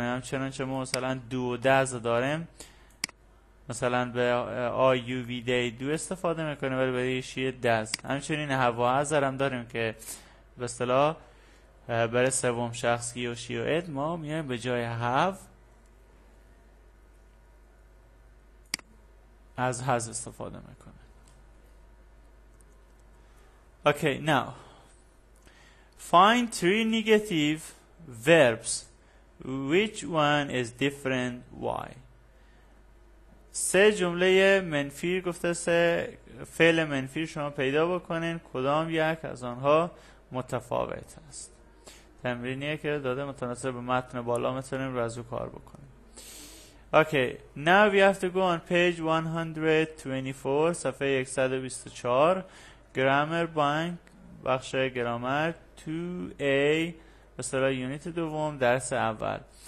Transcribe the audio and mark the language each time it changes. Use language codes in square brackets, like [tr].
[fa] همچنان چه ما مثلا دو و دز داریم، مثلا به آی یو وی دی دو استفاده میکنیم، ولی برای شی دز. همچنین هوا هزر هم داریم که به اصطلاح برای سوم شخص هی و شی و اد ما میایم به جای هاف از هز استفاده میکنیم. [en] Okay, now find three negative verbs. Which one is different? Why? [fa] سه جمله منفی گفته، سه فعل منفی شما پیدا بکنین کدام یک از آنها متفاوت است. تمرینیه که داده متناسب به متن بالا، میتونیم رو از او کار بکنیم. [en] Okay, now we have to go on page 124, [fa] صفحه 124. Grammar Bank، بخش گرامر 2A، مثلا یونیت دوم درس اول.